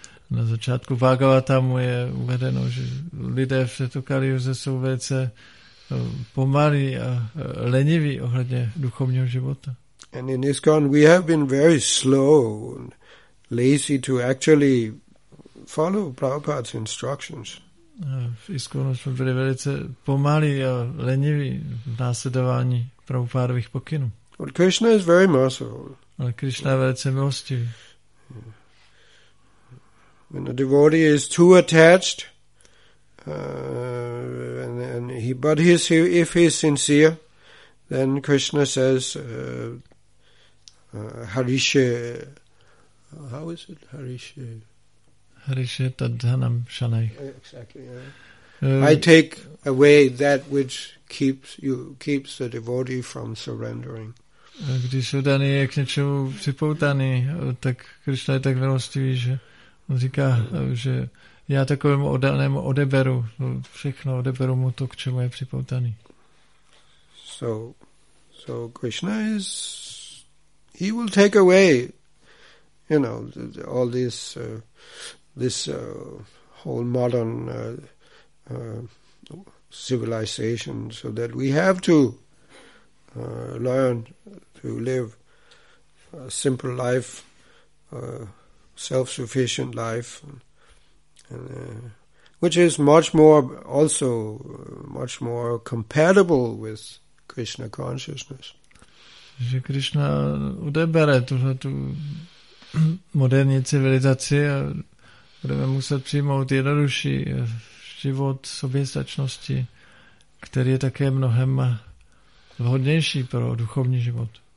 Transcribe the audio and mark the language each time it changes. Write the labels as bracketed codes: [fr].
[cs] Na začátku Bhagavatamu je uvedeno, že lidé v této kaliuze jsou velice pomalí a leniví ohledně duchovního života. [en] And in this con we have been very slow and lazy to actually follow Prabhupada's instructions. [cs] V ISKCONu jsme byli velice pomalí a leniví v následování Prabhupádových pokynů. [en] But Krishna is very merciful. [cs] Ale Krishna je velice milostivý. [en] When a devotee is too attached, if he is sincere, then Krishna says, Harishe, how is it, Harishe? [sa] Harishe tadhanam shanai. [en] Exactly. Yeah. I take away that which keeps the devotee from surrendering. [cs] Když jsou daný je k něčemu připoutaný, tak Krishna je tak milostivý, že on říká, že já takovému oddanému odeberu všechno, odeberu mu to, k čemu je připoutaný. [en] So Krishna is, he will take away, you know, all this whole modern civilization, so that we have to learn to live a simple life, self-sufficient life, which is much more compatible with Krishna consciousness. [cs] Že Krishna odebere tuhle tu moderní civilizaci a budeme muset přijmout jednodušší život soběstačnosti, který je také mnohem vhodnější pro duchovní život.